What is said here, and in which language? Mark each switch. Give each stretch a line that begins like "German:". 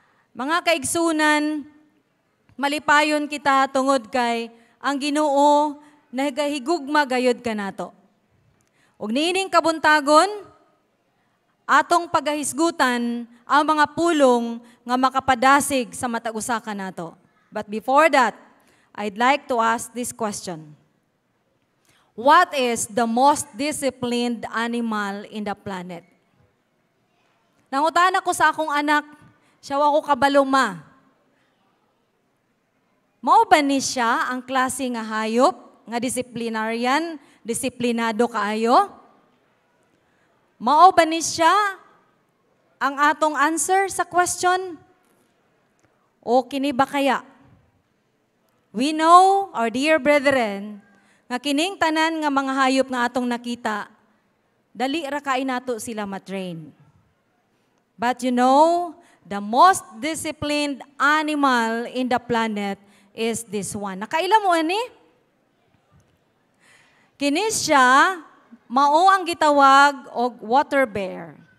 Cebuano: Mga kaigsunan, malipayon kita tungod kay ang Ginoo nagahigugma gayud kanato. Ug niining kabuntagon atong pagahisgutan ang mga pulong nga makapadasig sa matag-usa kanato.
English: But before that, I'd like to ask this question. What is the most disciplined animal in the planet?
Cebuano: Nangutana ko sa akong anak, siya wa ko kabaluma. Mao ba ni siya ang klase nga hayop, nga disciplinarian, disiplinado kaayo? Mao ba ni siya ang atong answer sa question? O kini ba kaya?
English: We know, our dear brethren,
Cebuano: nga kining tanan nga mga hayop nga atong nakita, dali ra kay nato sila matrain.
English: But you know, the most disciplined animal in the planet is this one.
Cebuano: Nakaila mo ani? Kini siya mao ang gitawag og water bear.